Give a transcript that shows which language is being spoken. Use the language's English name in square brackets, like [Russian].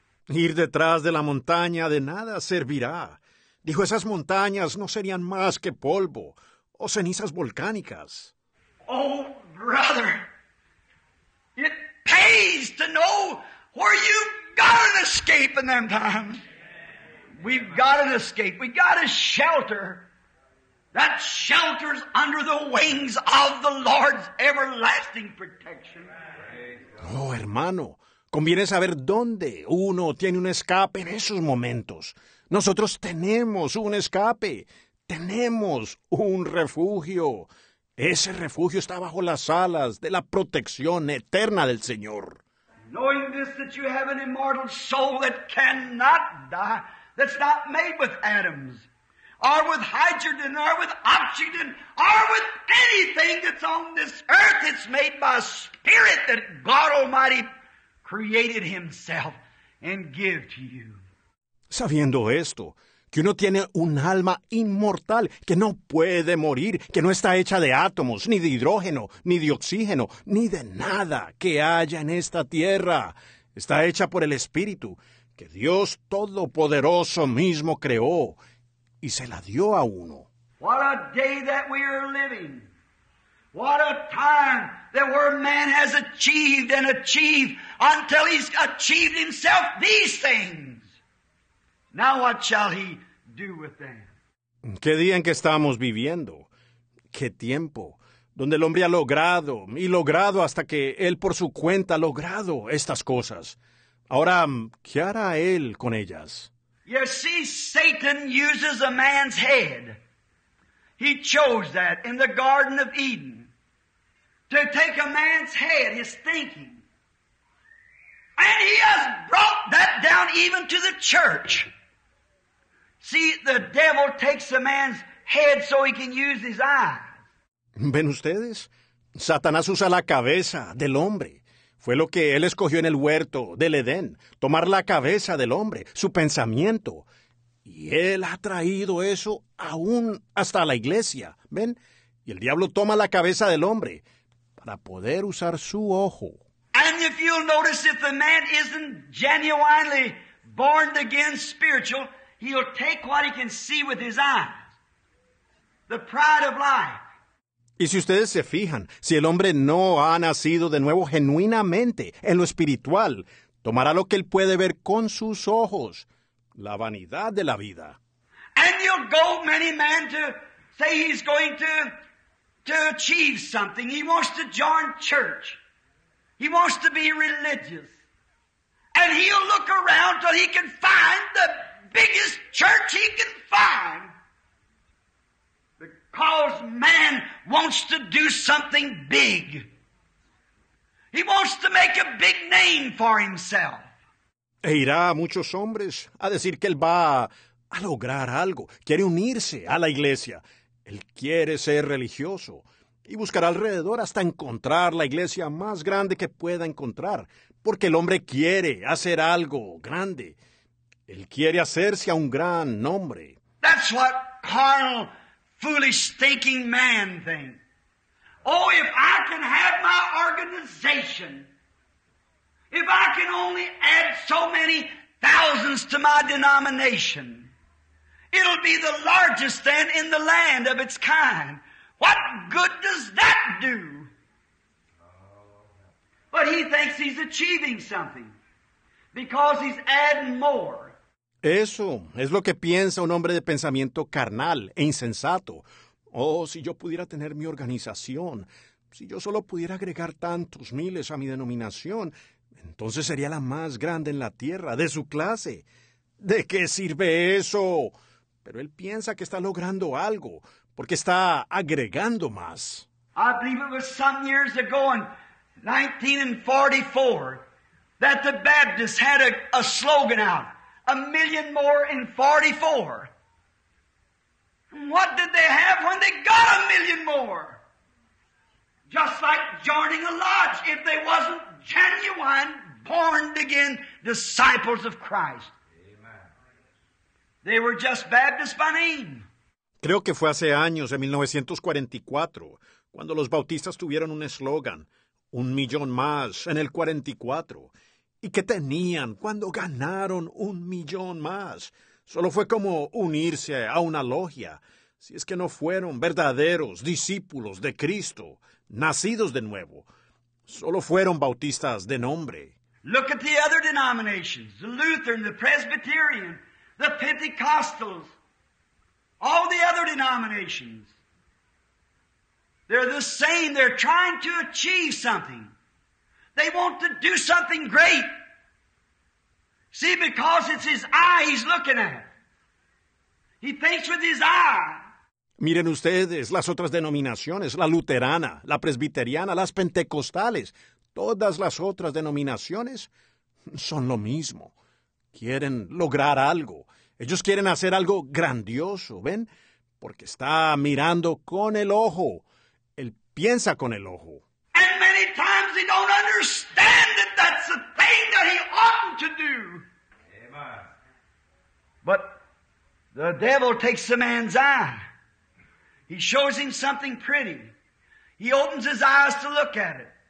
[Spanish] Ir detrás de la montaña de nada servirá. Dijo, esas montañas no serían más que polvo o cenizas volcánicas. [English] Oh, brother, it pays to know where you've got an escape in them times. We've got an escape. We've got a shelter. That shelter's under the wings of the Lord's everlasting protection. [Spanish] Oh, hermano, conviene saber dónde uno tiene un escape en esos momentos. Nosotros tenemos un escape. Tenemos un refugio. Ese refugio está bajo las alas de la protección eterna del Señor. [English] Knowing this, that you have an immortal soul that cannot die, that's not made with atoms, or with hydrogen, or with oxygen, or with anything that's on this earth, it's made by spirit that God Almighty created himself and give to you. [Spanish] Sabiendo esto, que uno tiene un alma inmortal, que no puede morir, que no está hecha de átomos, ni de hidrógeno, ni de oxígeno, ni de nada que haya en esta tierra. Está hecha por el Espíritu, que Dios Todopoderoso mismo creó y se la dio a uno. [English] What a day that we are living. What a time that where man has achieved and achieved until he's achieved himself these things. Now what shall he do with them? [Spanish] ¿Qué día en que estamos viviendo? ¿Qué tiempo? Donde el hombre ha logrado y logrado hasta que él por su cuenta ha logrado estas cosas. Ahora, ¿qué hará él con ellas? [English] You see, Satan uses a man's head. He chose that in the Garden of Eden. To take a man's head, his thinking. And he has brought that down even to the church. See, the devil takes a man's head so he can use his eyes. [Spanish] ¿Ven ustedes? Satanás usa la cabeza del hombre. Fue lo que él escogió en el huerto del Edén, tomar la cabeza del hombre, su pensamiento. Y él ha traído eso aún hasta la iglesia, ¿ven? Y el diablo toma la cabeza del hombre para poder usar su ojo. [English] And if you'll notice, if the man isn't genuinely born again spiritual, he'll take what he can see with his eyes. The pride of life. [Spanish] Y si ustedes se fijan, si el hombre no ha nacido de nuevo genuinamente en lo espiritual, tomará lo que él puede ver con sus ojos, la vanidad de la vida. [English] And you'll go many men to say he's going to achieve something. He wants to join church. He wants to be religious. And he'll look around till he can find the biggest church he can find. Because man wants to do something big. He wants to make a big name for himself. [Spanish] E irá a muchos hombres a decir que él va a lograr algo. Quiere unirse a la iglesia. Él quiere ser religioso. Y buscará alrededor hasta encontrar la iglesia más grande que pueda encontrar. Porque el hombre quiere hacer algo grande. Él quiere hacerse a un gran nombre. [English] That's what Carl foolish thinking man thing. Oh, if I can have my organization, if I can only add so many thousands to my denomination, It'll be the largest then in the land of its kind. What good does that do? But he thinks he's achieving something because he's adding more. [Spanish] Eso es lo que piensa un hombre de pensamiento carnal e insensato. Oh, si yo pudiera tener mi organización, si yo solo pudiera agregar tantos miles a mi denominación, entonces sería la más grande en la tierra, de su clase. ¿De qué sirve eso? Pero él piensa que está logrando algo, porque está agregando más. [English] I believe it was some years ago in 1944 that the Baptists had a slogan out. A million more in 44. What did they have when they got a million more? Just like joining a lodge, if they wasn't genuine, born again disciples of Christ. Amen. They were just Baptists by name. [Spanish] Creo que fue hace años, en 1944, cuando los bautistas tuvieron un eslogan, un millón más en el 44. ¿Y qué tenían cuando ganaron un millón más? Solo fue como unirse a una logia. Si es que no fueron verdaderos discípulos de Cristo, nacidos de nuevo. Solo fueron bautistas de nombre. [English] Look at the other denominations. The Lutheran, the Presbyterian, the Pentecostals. All the other denominations. They're the same. They're trying to achieve something. They want to do something great. See, because it's his eye he's looking at. He thinks with his eye. [Spanish] Miren ustedes las otras denominaciones, la luterana, la presbiteriana, las pentecostales. Todas las otras denominaciones son lo mismo. Quieren lograr algo. Ellos quieren hacer algo grandioso, ¿ven? Porque está mirando con el ojo. Él piensa con el ojo. [English] Times he don't understand that that's the thing that he oughtn't to do. Amen. But the devil takes the man's eye. He shows him something pretty. He opens his eyes to look at it.